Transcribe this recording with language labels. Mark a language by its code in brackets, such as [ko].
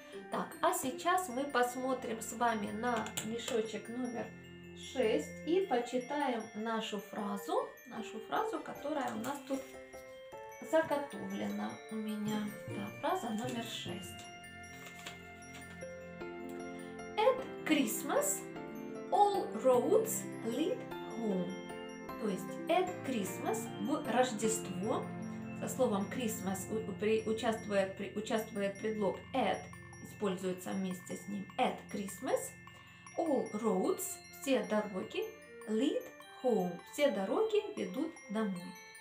[ru] Так, а сейчас мы посмотрим с вами на мешочек номер 6 и почитаем нашу фразу, которая у нас тут заготовлена у меня. Да, фраза номер 6. [en] Christmas, all roads lead home. [ru] То есть [en] at Christmas, [ru] в Рождество, со словом Christmas участвует предлог at, используется вместе с ним, at Christmas, [en] all roads, [ru] все дороги, [en] lead home, [ru] все дороги ведут домой.